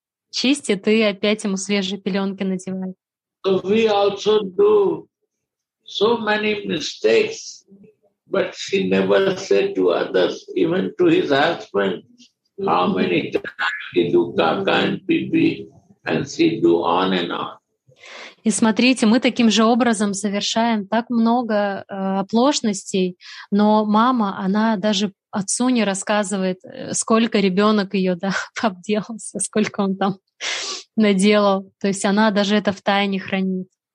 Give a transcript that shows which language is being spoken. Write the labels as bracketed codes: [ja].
[ru] Чистит, и опять ему свежие пеленки надевает. [en] So we also do so many mistakes, but she never said to others, even to his husband, how many times he do kaka and pipi, and she do on and on. [ru] И смотрите, мы таким же образом совершаем так много оплошностей, но мама, она даже отцу не рассказывает, сколько ребенок ее, да, обделался, сколько он там наделал. То есть она даже это в тайне хранит.